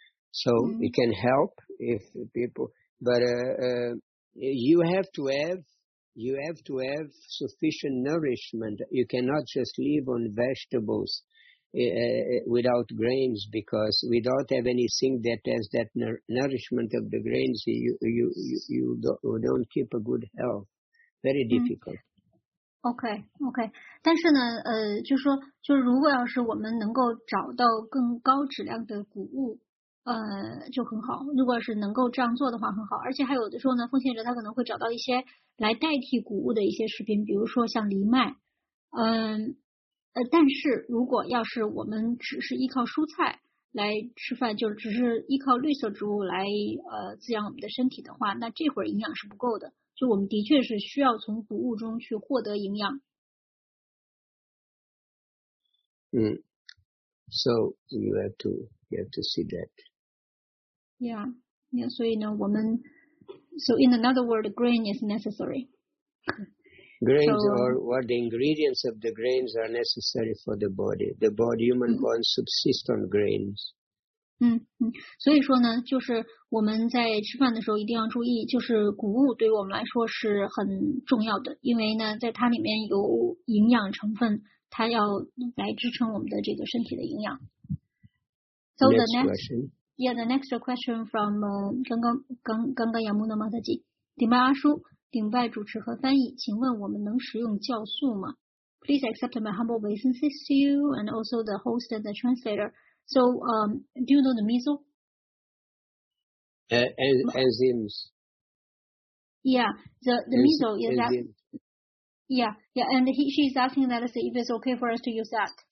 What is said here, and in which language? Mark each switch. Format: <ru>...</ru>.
<en>So it can help if people, but you have to have sufficient nourishment. You cannot just live on vegetables without grains, because without have anything that has that nourishment of the grains, you don't keep a good health. Very difficult. Okay.</en> <zh>但是呢，就是如果要是我们能够找到更高质量的谷物，就很好。如果是能够这样做的话，很好。而且还有的时候呢，奉献者他可能会找到一些来代替谷物的一些食品，比如说像藜麦，但是如果要是我们只是依靠蔬菜来吃饭，就是只是依靠绿色植物来滋养我们的身体的话，那这会儿营养是不够的。就我们的确是需要从谷物中去获得营养。</zh> <en>So you have to see that. Yeah.</en> <zh>所以呢，我们</zh> <en>So in another word, grain is necessary. Grains or what the ingredients of the grains are necessary for the body. The body, human body subsists on grains.</en> <zh>所以说呢，就是我们在吃饭的时候一定要注意，就是谷物对我们来说是很重要的，因为呢，在它里面有营养成分，它要来支撑我们的这个身体的营养。</zh> <en>So the next question. Yeah, the next question from 刚刚雅穆纳玛特吉，顶拜阿叔。</en> <zh>顶拜主持和翻译，请问我们能食用酵素吗？</zh> <en>Please accept my humble obeisances to you and also the host and the translator. So, do you know the miso? Enzymes. Yeah, the miso is that. Yeah, and she is asking that if it's okay for us to use that.</en>